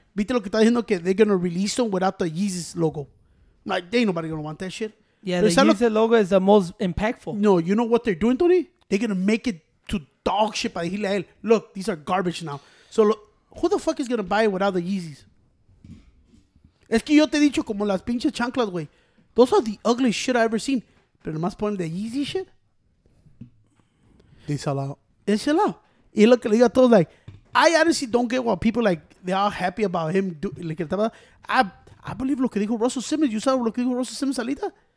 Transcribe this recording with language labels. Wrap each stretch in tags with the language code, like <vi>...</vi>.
<es>Viste lo que está diciendo que</es> <en>they're going to release him without the Yeezus logo. I'm like, ain't nobody going to want that shit. Yeah, pero the Yeezus logo is the most impactful. No, you know what they're doing, Tony? They're going to make it to dog shit by the Hilael. Look, these are garbage now. So look, who the fuck is going to buy it without the Yeezys?</en> <es>Es que yo te he dicho como las pinches chanclas, güey.</es> <en>Those are the ugliest shit I ever seen.</en> <es>Pero nomás ponen</es> <en>the Yeezy shit. They sell out. They sell out.</en> <es>Y lo que le digo a todos,</es> <en>like, I honestly don't get what people, like, they're all happy about him. I believe</en> <es>lo que dijo Russell Simmons.</es> <en>You saw</en> <es>lo que dijo Russell Simmons Alita?</es>